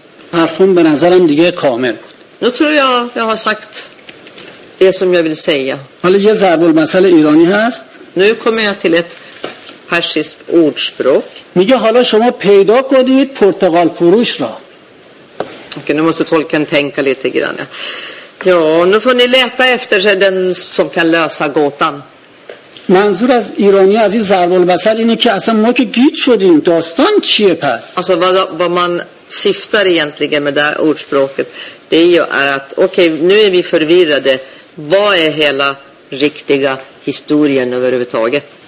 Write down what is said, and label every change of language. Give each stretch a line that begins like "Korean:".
Persian: Parfum به نظرم دیگه کامل بود.
Swedish: Nu tror jag jag har sagt det som jag vill säga.
Persian: حالا یه ضرب المثل ایرانی هست.
Swedish: Nu kommer jag till ett persiskt ordspråk.
Persian: میگه حالا شما پیدا کنید پرتقال فروش را.
Swedish: Okej, nu måste tolken tänka lite grann. Ja. Ja, nu får ni leta efter den som kan lösa gåtan.
Persian: منظور از ایرانی از این ضرب المثل اینه که اصلا ما که گیج شدیم داستان چیه پس؟
Swedish: Alltså vad man syftar egentligen med det här ordspråket, det är ju att okej, nu är vi förvirrade, vad är hela riktiga historien överhuvudtaget?